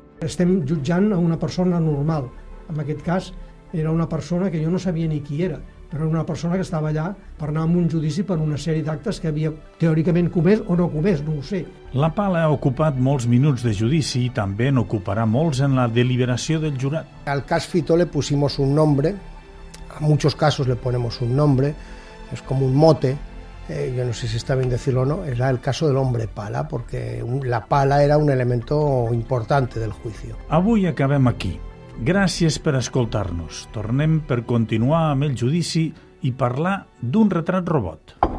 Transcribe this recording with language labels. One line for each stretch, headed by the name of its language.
Catalan: Estem jutjant a una persona normal, en aquest cas era una persona que jo no sabia ni qui era, però una persona que estava allà per anar a un judici per una sèrie d'actes que havia teòricament comès o no comès, no ho sé. La pala ha ocupat molts minuts de judici i també n'ocuparà molts en la deliberació del jurat.
Spanish: Al cas Fito le pusimos un nombre, a muchos casos le ponemos un nombre, es como un mote, yo no sé si está bien decirlo o no, era el caso del hombre pala, porque la pala era un elemento importante del juicio.
Catalan: Avui acabem aquí. Gràcies per escoltar-nos. Tornem per continuar amb el judici i parlar d'un retrat robot.